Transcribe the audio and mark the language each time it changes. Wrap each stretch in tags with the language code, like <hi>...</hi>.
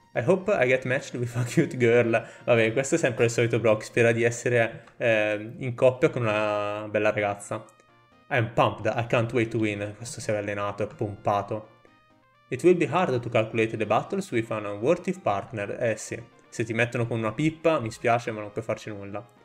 <en>I hope I get matched with a cute girl.</en> <it>Vabbè, questo è sempre il solito Brock. Spera di essere in coppia con una bella ragazza.</it> <en>I'm pumped, I can't wait to win.</en> <it>Questo si è allenato, è pompato.</it> <en>It will be hard to calculate the battles with an unworthy partner.</en> <it>Eh sì, se ti mettono con una pippa, mi spiace, ma non puoi farci nulla.</it>